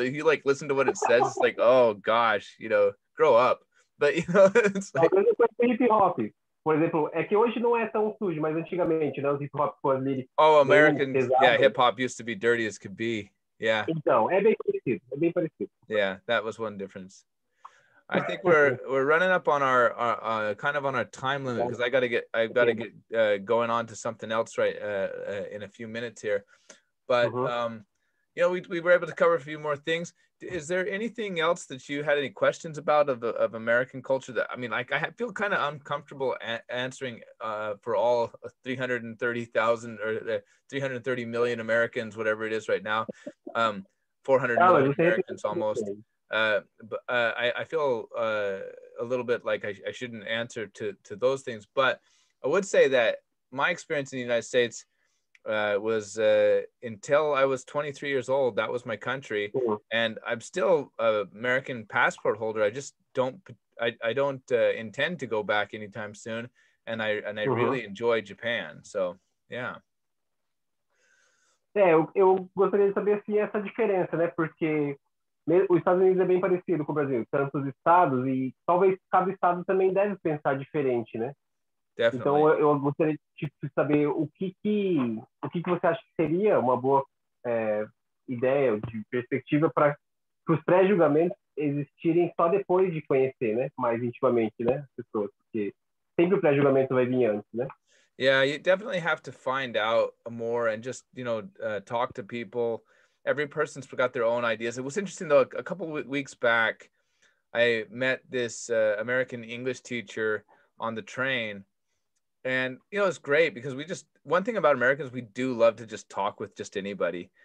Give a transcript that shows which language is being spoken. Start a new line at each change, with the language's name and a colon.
English: If you like listen to what it says, it's like, oh gosh, you know, grow up. But you know, it's like hip hop, for example.
Portuguese: É que hoje não é tão sujo, mas antigamente, né, os hip hop foram lyrics.
English: Oh, American, yeah, hip hop used to be dirty as could be. Yeah.
Portuguese: Então, é bem parecido.
English: Yeah, that was one difference. I think we're running up on our kind of on our time limit because I got to get going on to something else right in a few minutes here. But, we were able to cover a few more things. Is there anything else that you had any questions about of American culture that, I mean, like, I feel kind of uncomfortable answering for all 330,000 or 330 million Americans, whatever it is right now, 400 million Americans almost. But I feel a little bit like I shouldn't answer to those things. But I would say that my experience in the United States was until I was 23 years old, that was my country. Mm-hmm. And I'm still a American passport holder. I just don't intend to go back anytime soon, and I mm-hmm. really enjoy Japan. So
Portuguese: eu gostaria de saber se essa diferença, né, porque os Estados Unidos é bem parecido com o Brasil, tantos estados, e talvez cada estado também deve pensar diferente, né?
English: Definitely.
Portuguese: Então eu gostaria de saber o que você acha que seria uma boa ideia de perspectiva para os pré-julgamentos existirem só depois de conhecer, né, mais intimamente, né, as pessoas, porque sempre o pré-julgamento vai vir antes, né?
English: Yeah, you definitely have to find out more and just, you know, talk to people. Every person's got their own ideas. It was interesting though, a couple of weeks back I met this American English teacher on the train. And, you know, it's great because one thing about Americans, we do love to just talk with just anybody.